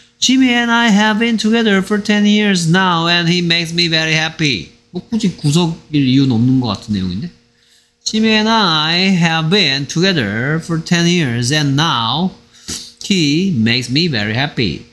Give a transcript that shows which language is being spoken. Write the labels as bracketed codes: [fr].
[en] Jimmy and I have been together for 10 years now and he makes me very happy. [ko] 뭐 굳이 구석일 이유는 없는 것 같은 내용인데. [en] Jimmy and I have been together for 10 years and now he makes me very happy.